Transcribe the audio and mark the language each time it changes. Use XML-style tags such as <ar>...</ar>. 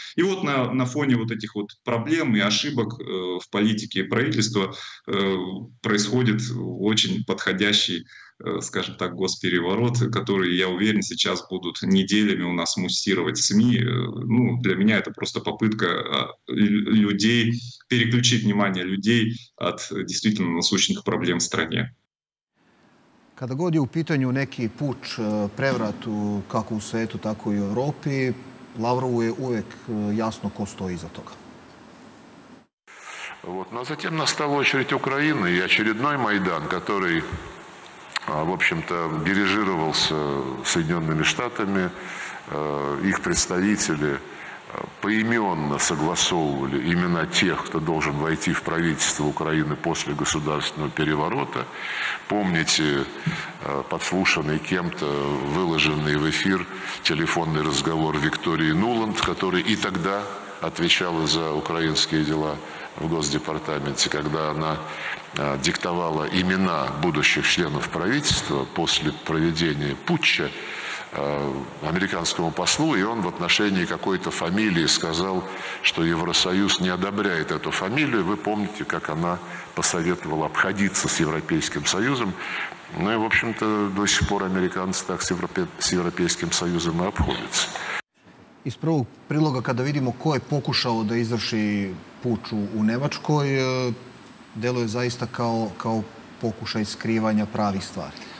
<ru>И вот на фоне вот этих вот проблем и ошибок в политике правительства происходит очень подходящий, скажем так, госпереворот, который, я уверен, сейчас будут неделями у нас муссировать СМИ. Ну, для меня это просто попытка людей, переключить внимание людей от действительно насущных проблем в стране.</ru> <sr>Kada god je u pitanju neki puč, prevrat, kako u svetu, tako i u Evropi, Lavrovu je uvek jasno ko stoji iza toga.</sr> <ru>Вот, но затем настала очередь Украины и очередной Майдан, который в общем-то, дирижировался Соединенными Штатами. Их представители поименно согласовывали имена тех, кто должен войти в правительство Украины после государственного переворота. Помните подслушанный кем-то, выложенный в эфир телефонный разговор Виктории Нуланд, которая и тогда отвечала за украинские дела в Госдепартаменте, когда она диктовала имена будущих членов правительства после проведения путча американскому послу, и он в отношении какой-то фамилии сказал, что Евросоюз не одобряет эту фамилию. Вы помните, как она посоветовала обходиться с Европейским Союзом. Ну и, в общем-то, до сих пор американцы так с Европейским Союзом и обходятся.</ru> <sr>Из првого прилога, когда видимо ко је покушао да изврши пуч у Немачкој, делује заиста као покушај скривања правих ствари.</sr>